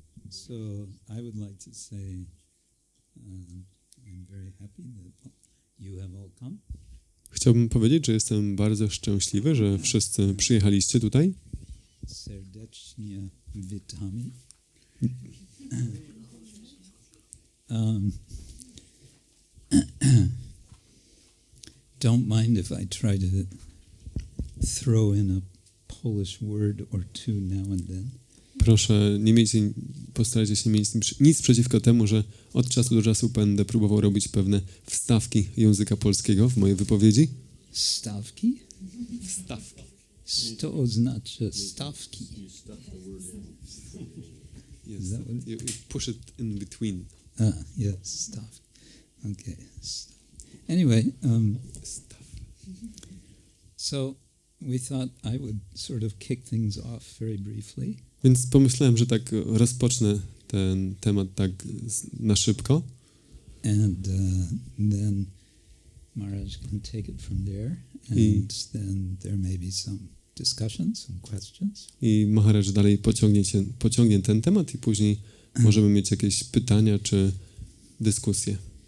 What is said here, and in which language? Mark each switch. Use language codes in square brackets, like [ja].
[en] So I would like to say I'm very happy that you have all come. [pl] Chciałbym powiedzieć, że jestem bardzo szczęśliwy, że wszyscy przyjechaliście tutaj. Serdecznie witamy. [en] Don't mind if I try to throw in a Polish word or two now and then. [pl] Proszę, nie miejcie, postarajcie się nie mieć nic przeciwko temu, że od czasu do czasu będę próbował robić pewne wstawki języka polskiego w mojej wypowiedzi. Stawki? Wstawki. To oznacza stawki. [en] You push it in between. Stawki. Okay. Anyway. So we thought I would sort of kick things off very briefly. [pl] Więc pomyślałem, że tak rozpocznę ten temat tak na szybko. [en] And then Maharaj can take it from there, and then there may be some discussions, some questions. [pl] I Maharaj dalej pociągnie ten temat i później możemy mieć jakieś pytania czy dyskusje.